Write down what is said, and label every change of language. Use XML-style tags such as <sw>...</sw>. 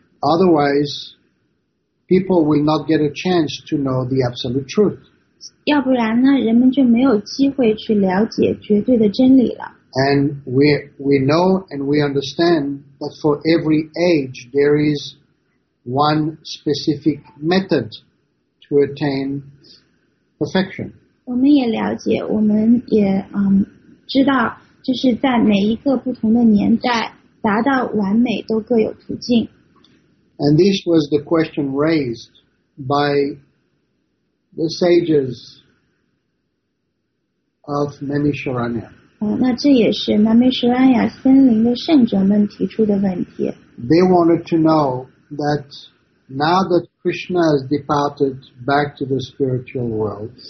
<en>Otherwise, people will not get a chance to know the absolute truth.</en> <zh>要不然呢，人们就没有机会去了解绝对的真理了。</zh> <en>And we know and we understand that for every age, there is one specific method to attain perfection.</en> <zh>我们也了解，我们也知道，就是在每一个不同的年代，达到完美都各有途径。</zh> <en>And this was the question raised by the sages of Namisharanya.</en> <zh>那这也是 Namisharanya 森林的圣者们提出的问题。</zh> <en>They wanted to know that now that Krishna has departed back to the spiritual world.</en>